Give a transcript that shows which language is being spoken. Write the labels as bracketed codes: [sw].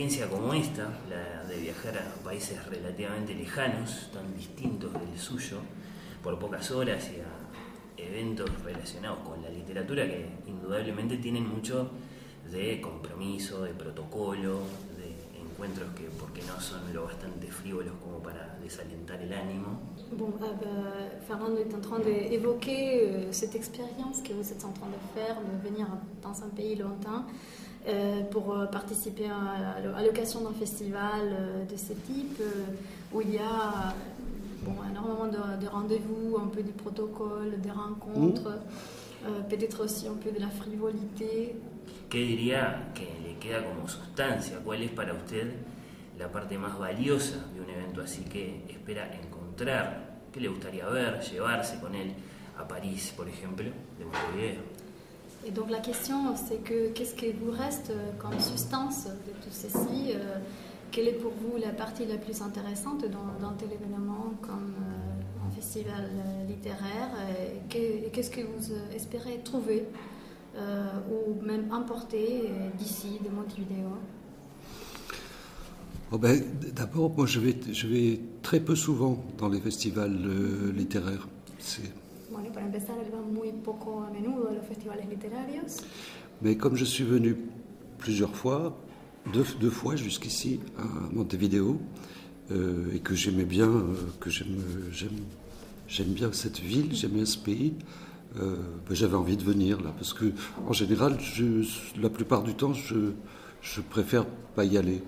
[es] Como esta, la de viajar a países relativamente lejanos, tan distintos del suyo, por pocas horas y a eventos relacionados con la literatura que indudablemente tienen mucho de compromiso, de protocolo, de encuentros que, porque no son lo bastante frívolos como para desalentar el ánimo. [fr] Bon, Fernando est en train de évoquer cette expérience que vous êtes en train de faire, de venir dans un pays lointain. Pour participer à l'occasion d'un festival de ce type où il y a bon, énormément de rendez-vous, un peu du protocole, des rencontres, peut-être aussi un peu de la frivolité. [es] ¿Qué diría que le queda como sustancia? ¿Cuál es para usted la parte más valiosa de un evento así que espera encontrar? ¿Qué le gustaría ver, llevarse con él a París, por ejemplo, de Montevideo? [fr] Et donc la question, c'est que qu'est-ce qui vous reste comme substance de tout ceci? Quelle est pour vous la partie la plus intéressante dans tel événement comme un festival littéraire? Et qu'est-ce que vous espérez trouver ou même emporter d'ici, de Montevideo? Oh ben, d'abord, moi je vais très peu souvent dans les festivals littéraires. C'est... [es] Bueno, para empezar, él va muy poco a menudo a los festivales literarios. [fr] Mais comme je suis venu plusieurs fois, deux fois jusqu'ici à Montevideo, et que j'aimais bien, que j'aime bien cette ville, j'aime bien ce pays, ben j'avais envie de venir là, parce que en général, la plupart du temps, je préfère pas y aller.